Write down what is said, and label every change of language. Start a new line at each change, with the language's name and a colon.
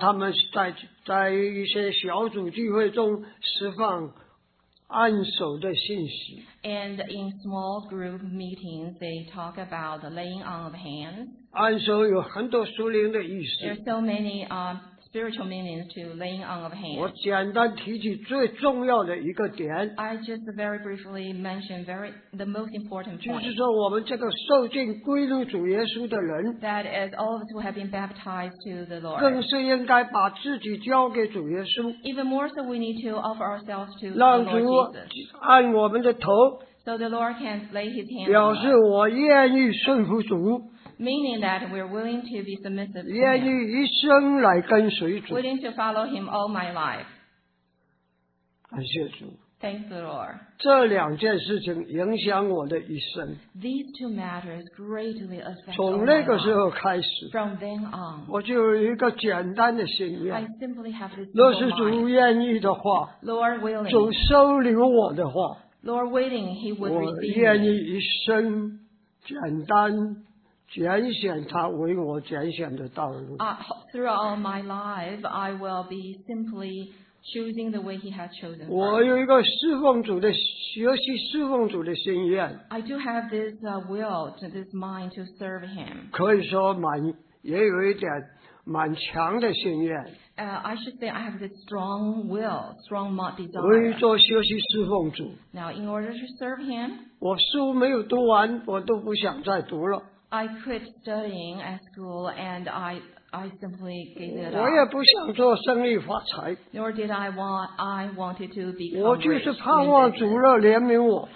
Chinese: 他们在一些小组聚会中释放按手的信息。
English: And in small group meetings, they talk about the laying on of hands.
Chinese: 按手有很多属灵的意思。
English: There are so many spiritual meanings to laying on of hands.
Chinese: 我简单提起最重要的一个点。
English: I just very briefly mentioned the most important point.
Chinese: 就是说我们这个受浸归入主耶稣的人。
English: That is all of us who have been baptized to the Lord.
Chinese: 更是应该把自己交给主耶稣。
English: Even more so, we need to offer ourselves to the Lord Jesus.
Chinese: 让主按我们的头。
English: So the Lord can lay his hand on us.
Chinese: 表示我愿意顺服主。
English: Meaning that we're willing to be submissive to him.
Chinese: 愿意一生来跟随主。
English: Willing to follow him all my life.
Chinese: 感谢主。
English: Thank the Lord.
Chinese: 这两件事情影响我的一生。
English: These two matters greatly affect my life.
Chinese: 从那个时候开始。
English: From then on.
Chinese: 我就有一个简单的心愿。
English: I simply have this.
Chinese: 若是主愿意的话。
English: Lord willing.
Chinese: 主收留我的话。
English: Lord willing, he would receive me.
Chinese: 我愿意一生简单。拣选他为我拣选的道路。
English: Throughout my life, I will be simply choosing the way He has chosen.
Chinese: 我有一个侍奉主的学习侍奉主的心愿。
English: I do have this will, this mind to serve Him.
Chinese: 可以说蛮也有一点蛮强的心愿。
English: I should say I have this strong will, strong desire.
Chinese: 为做学习侍奉主。
English: Now, in order to serve Him,
Chinese: 我书没有读完，我都不想再读了。
English: I quit studying at school and I simply gave it up.
Chinese: 我也不想做生意发财。
English: Nor did I wanted to become rich.
Chinese: 我就是盼望主了怜悯我。